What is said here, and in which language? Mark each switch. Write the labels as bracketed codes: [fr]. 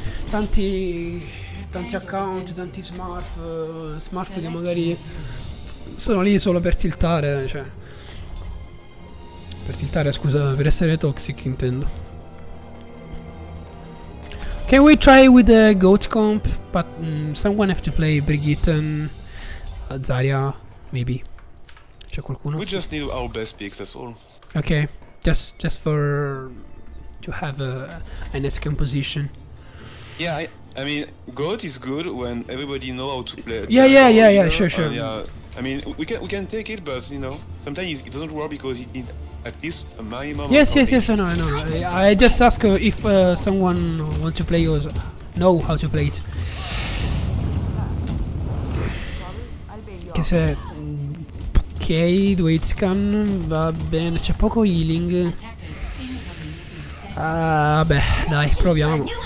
[it] Tanti account, tanti smart che magari sono lì solo per tiltare, cioè per tiltare, scusa, per essere toxic intendo. [en] Can we try with the goat comp? But someone have to play Brigitte and Zarya, maybe. [it] C'è qualcuno? [en] We just need our best picks, that's all. Okay, just for to have a net composition. Yeah, I mean, goat is good when everybody know how to play. Yeah, sure. I mean, we can take it, but you know, sometimes it doesn't work because it needs at least a minimum. Yes. I know. I just ask if someone wants to play or know how to play it. [it] Che se ok, due hit scan, va bene, c'è poco healing. Beh, dai, proviamo.